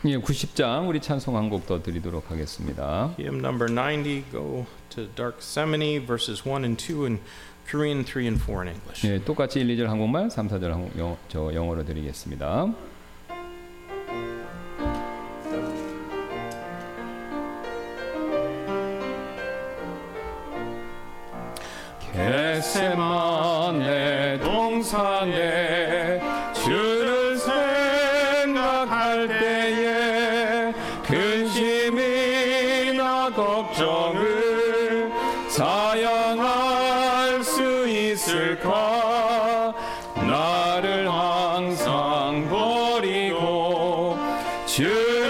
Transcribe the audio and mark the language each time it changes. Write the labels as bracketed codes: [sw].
[ko] 예, 90장 우리 찬송 한 곡 더 드리도록 하겠습니다. [en] Hymn number 90, go to Dark Semini, verses 1 and 2 in Korean, 3 and 4 in English. [ko] 예, 똑같이 1, 2절 한국말, 3, 4절 영어로 드리겠습니다. 겟세마네 동산에 주를 생각할 때에 근심이나 걱정을 사양할 수 있을까 나를 항상 버리고 주